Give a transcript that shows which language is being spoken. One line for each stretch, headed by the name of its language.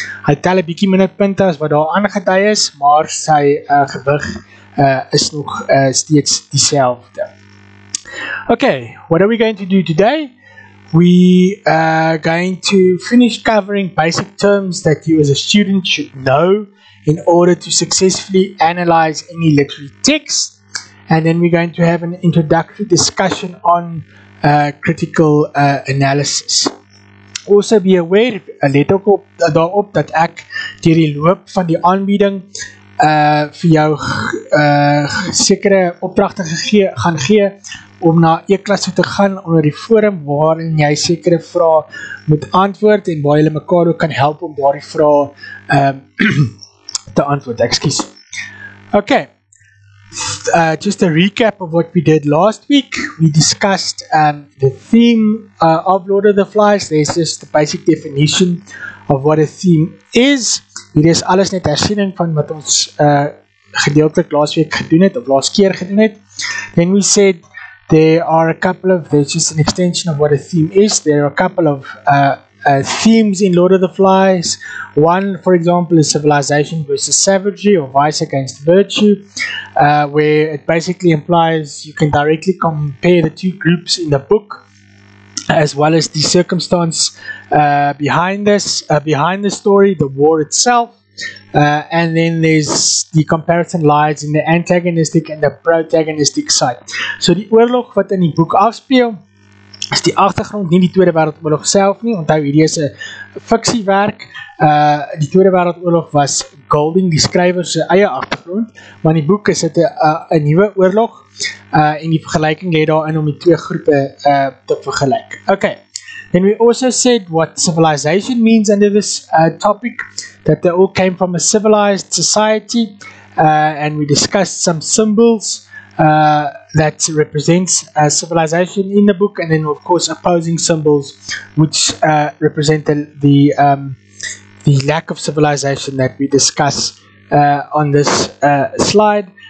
Afrikaans: Hy tel 'n bietjie minder punte as wat daar aangedui is, maar sy gewig is nog steeds dieselfde.
English: Okay, what are we going to do today? We are going to finish covering basic terms that you as a student should know in order to successfully analyze any literary text. And then we're going to have an introductory discussion on critical analysis. Also be aware,
Afrikaans: let ook op, daarop dat ek deur die loop van die aanbieding vir jou sekere opdragte gaan gee om na E-klas toe te gaan onder die forum waarin jy sekere vrae moet antwoord en waar jy mekaar ook kan help om daardie vrae te antwoord.
English: Excuse. Okay. Just a recap of what we did last week. We discussed the theme of Lord of the Flies. There's just the basic definition of what a theme is.
Afrikaans: Hier is alles net herziening van wat ons gedeeltelik
English: last week
Afrikaans: gedoen het, of last keer gedoen het.
English: Then we said there are a couple of, there's just an extension of what a theme is. There are a couple of themes in Lord of the Flies. One, for example, is civilization versus savagery or vice against virtue, where it basically implies you can directly compare the two groups in the book, as well as the circumstance behind this, behind the story, the war itself. And then there's the comparison lies in the antagonistic and the protagonistic side.
Afrikaans: So die oorlog wat in die boek afspeel, is die agtergrond, nie die Tweede Wereldoorlog self nie, onthou hierdie is 'n fiksiewerk. Die Tweede Wereldoorlog was Golding, die skrywer se eie agtergrond, maar in die boek is dit 'n nuwe oorlog, en die vergelyking lê daarin om die twee groepe te vergelyk.
English: Okay. Then we also said what civilization means under this topic, that they all came from a civilized society, and we discussed some symbols that represents civilization in the book, and then of course opposing symbols which represent the lack of civilization that we discuss on this slide.